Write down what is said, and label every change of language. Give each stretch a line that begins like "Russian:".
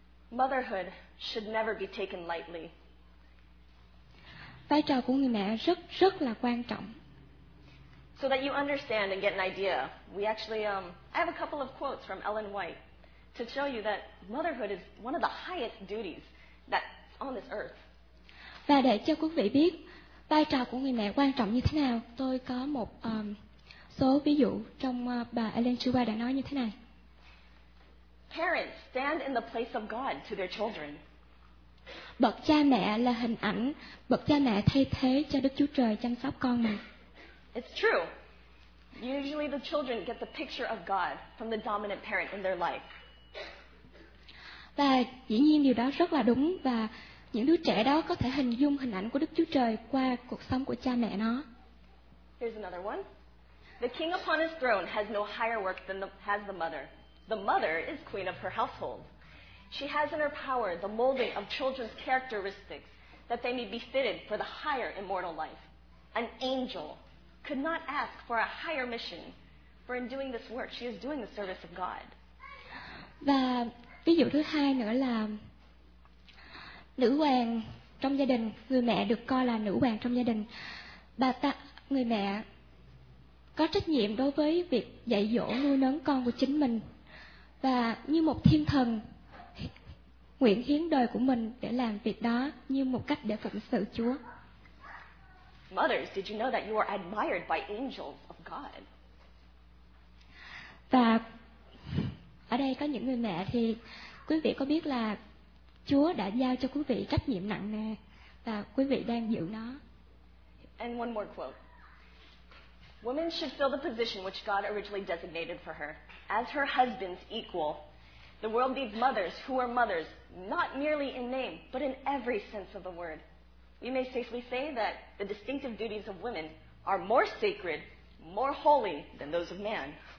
English: Motherhood should never be taken lightly.
Vietnamese: Vai trò của người mẹ rất là quan trọng.
English: So that you understand and get an idea, we actually I have a couple of quotes from Ellen White to show you that motherhood is one of the highest duties that's on this earth.
Vietnamese: Và để cho quý vị biết vai trò của người mẹ quan trọng như thế nào, tôi có một số ví dụ trong bà Ellen White đã nói như thế này.
English: Parents stand in the place of God to their children.
Vietnamese: Bậc cha mẹ là hình ảnh bậc cha mẹ thay thế cho Đức Chúa Trời chăm sóc con mình.
English: It's true. Usually the children get the picture of God from the dominant parent in their life.
Vietnamese: Và dĩ nhiên điều đó rất là đúng, và những đứa trẻ đó có thể hình dung hình ảnh của Đức Chúa Trời qua cuộc sống của cha mẹ nó.
English: Here's another one. The king upon his throne has no higher work than the mother. The mother is queen of her household. She has in her power the molding of children's characteristics that they may be fitted for the higher immortal life. An angel could not ask for a higher mission, for in doing this work, she is doing the service of God.
Vietnamese: Và ví dụ thứ hai nữa là nữ hoàng trong gia đình, người mẹ được coi là nữ hoàng trong gia đình. Bà ta, người mẹ có trách nhiệm đối với việc dạy dỗ nuôi nấng con của chính mình. Và như một thiên thần nguyện hiến đời của mình để làm việc đó như một cách để phụng sự Chúa.
English: Mothers, did you know that you are admired by angels of God?
Vietnamese: Và ở đây có những người mẹ thì quý vị có biết là Chúa đã giao cho quý vị trách nhiệm nặng nề và quý vị đang giữ nó.
English: And one more quote. Women should fill the position which God originally designated for her. As her husband's equal, the world needs mothers who are mothers, not merely in name, but in every sense of the word. We may safely say that the distinctive duties of women are more sacred, more holy than those of man.